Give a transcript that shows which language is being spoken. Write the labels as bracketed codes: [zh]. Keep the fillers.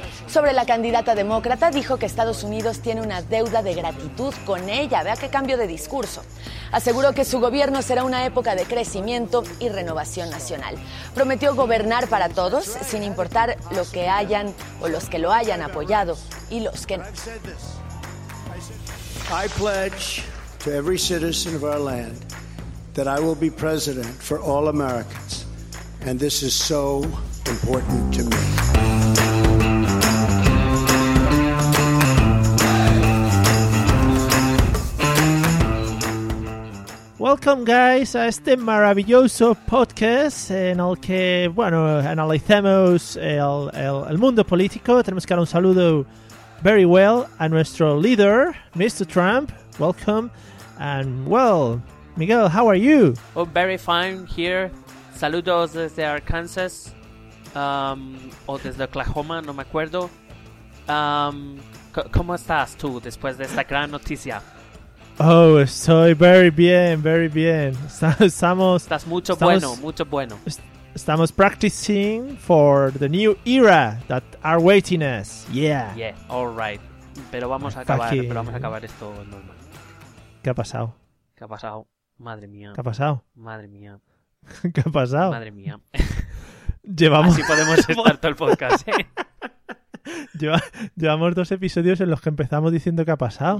[es] Sobre la candidata demócrata dijo que Estados Unidos tiene una deuda de gratitud con ella. Vea qué cambio de discurso. Aseguró que su gobierno será una época de crecimiento y renovación nacional. Prometió gobernar para todos, sin importar lo que hayan o los que lo hayan apoyado y los que no. [en] I pledge to every citizen of our land that I will be president for all Americans. And this is so important to me. Welcome guys [es] a este maravilloso podcast en el que, bueno, analizamos el, el, el mundo político. Tenemos que dar un saludo [en] very well [es] a nuestro líder, Mr. Trump. [en] Welcome and well, Miguel, how are you? Oh, very fine here. [es] Saludos desde Arkansas um, o desde Oklahoma, no me acuerdo. Um, ¿Cómo estás tú después de esta gran noticia? Oh, estoy [en] very [es] bien, very bien. Estamos. Estás mucho estamos, bueno, mucho bueno. Estamos [en] practicing for the new era that are waiting us. Yeah. Yeah, all right. [es] Pero vamos a acabar, pero vamos a acabar esto normal. ¿Qué ha pasado? ¿Qué ha pasado? Madre mía. ¿Qué ha pasado? Madre mía. ¿Qué ha pasado? Madre mía. Llevamos... Así podemos estar todo el podcast, ¿eh? Lleva... Llevamos dos episodios en los que empezamos diciendo qué ha pasado.